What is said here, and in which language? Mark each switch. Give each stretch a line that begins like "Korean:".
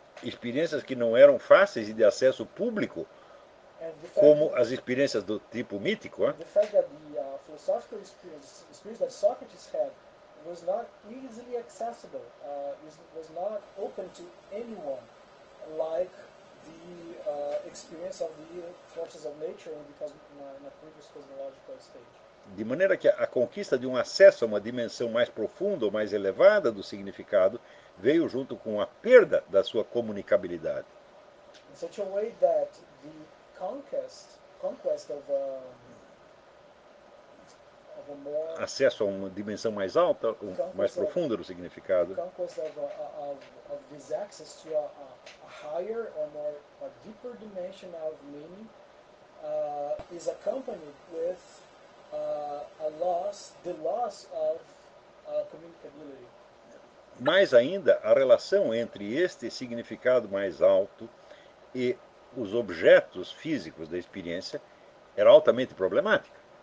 Portuguese: Experiências que não eram fáceis e de acesso público, como as experiências do tipo mítico.
English: The fact that the philosophical experience that Socrates had was not easily accessible, was not open to anyone, like the experience of the forces of nature in the previous cosmological stage.
Portuguese: De maneira que a conquista de um acesso a uma dimensão mais profunda ou mais elevada do significado veio junto com a perda da sua comunicabilidade.
English: In such a way that the conquest of a more
Portuguese: acesso a uma dimensão mais alta, mais profunda do significado.
English: Conquest of this access to a higher or more a deeper dimension of meaning is accompanied with the loss of communicability.
Portuguese: Mais ainda, a relação entre este significado mais alto e os objetos físicos da experiência era altamente problemática.